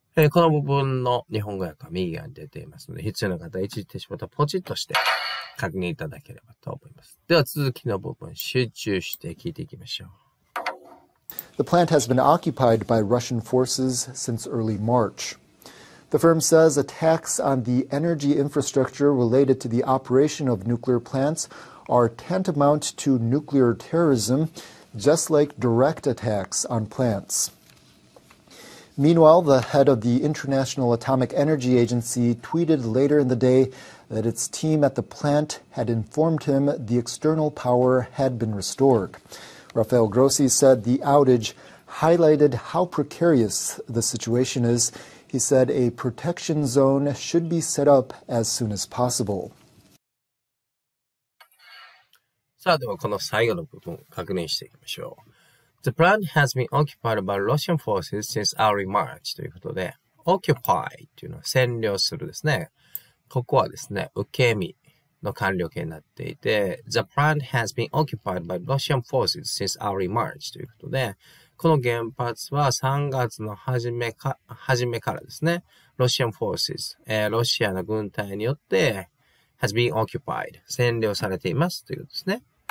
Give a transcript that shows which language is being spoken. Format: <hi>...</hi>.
<ja>この部分の日本語訳は右側に出ていますので、必要な方は一時停止ボタンポチッとして確認いただければと思います。では続きの部分、集中して聞いていきましょう。</ja> <en>The plant has been occupied by Russian forces since early March. The firm says attacks on the energy infrastructure related to the operation of nuclear plants are tantamount to nuclear terrorism, just like direct attacks on plants. Meanwhile, the head of the International Atomic Energy Agency tweeted later in the day that its team at the plant had informed him the external power had been restored. Rafael Grossi said the outage highlighted how precarious the situation is. He said a protection zone should be set up as soon as possible.</en> <ja>さあ、ではこの最後の部分確認していきましょう。</ja> <en>The plant has been occupied by Russian forces since early March.</en> <ja>ということで、occupy というのは占領するですね。ここはですね、受け身。の管理系になっていて、</ja> <en>The plant has been occupied by Russian forces since early March</en> <ja>ということで、この原発は3月の初めからですね、</ja> <en>Russian forces、</en> <ja>ロシアの軍隊によって</ja> <en>has been occupied、</en> <ja>占領されていますということですね。</ja>